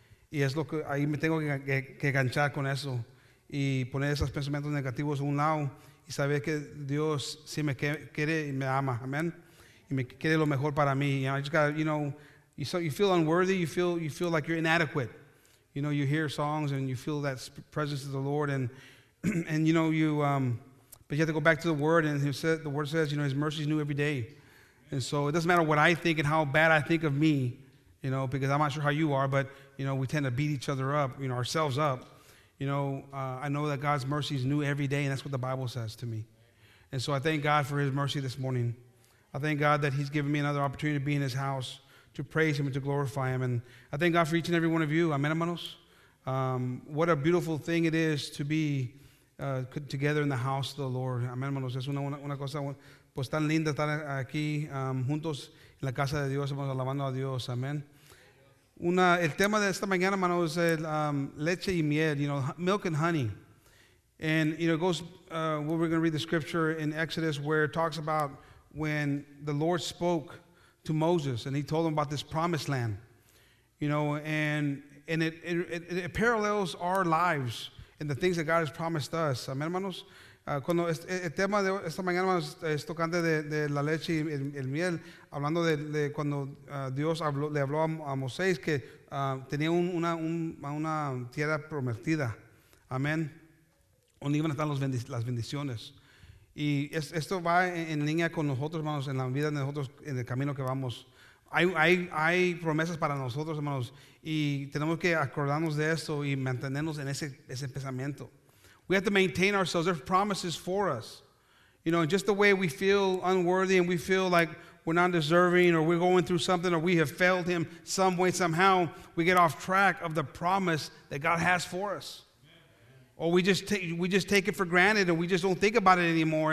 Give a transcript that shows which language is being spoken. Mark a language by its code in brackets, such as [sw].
[es] Y es lo que ahí me tengo que enganchar con eso y poner esos pensamientos negativos a un lado y saber que Dios sí me quiere y me ama. Amén. Me quede lo mejor para mí. [en] You know, I just got, you know, you feel unworthy, you feel like you're inadequate. You know, you hear songs and you feel that presence of the Lord and you know, but you have to go back to the word, and the word says, you know, his mercy is new every day. And so it doesn't matter what I think and how bad I think of me, you know, because I'm not sure how you are, but you know, we tend to beat each other up, you know, ourselves up. You know, I know that God's mercy is new every day, and that's what the Bible says to me. And so I thank God for his mercy this morning. I thank God that he's given me another opportunity to be in his house, to praise him and to glorify him. And I thank God for each and every one of you. Amen, hermanos. What a beautiful thing it is to be together in the house of the Lord. Amen, hermanos. [es] Es una cosa pues tan linda estar aquí juntos en la casa de Dios. Estamos alabando a Dios. Amen. El tema de esta mañana, hermanos, es leche y miel, [en] you know, milk and honey. And, you know, it goes, we're going to read the scripture in Exodus where it talks about when the Lord spoke to Moses and he told him about this promised land, you know, and it parallels our lives and the things that God has promised us. Amen, hermanos. [es] Cuando el tema de esta mañana, hermanos, es tocante de la leche y el miel, hablando de cuando Dios le habló a Moisés que tenía una tierra prometida. Amen. Donde iban a estar las bendiciones. Y esto va en línea con nosotros, hermanos, en la vida de nosotros, en el camino que vamos. Hay promesas para nosotros, hermanos, y tenemos que acordarnos de esto y mantenernos en ese pensamiento. [en] We have to maintain ourselves. There's promises for us. You know, just the way we feel unworthy and we feel like we're not deserving or we're going through something or we have failed him some way, somehow, we get off track of the promise that God has for us. Or we just take it for granted, and we just don't think about it anymore.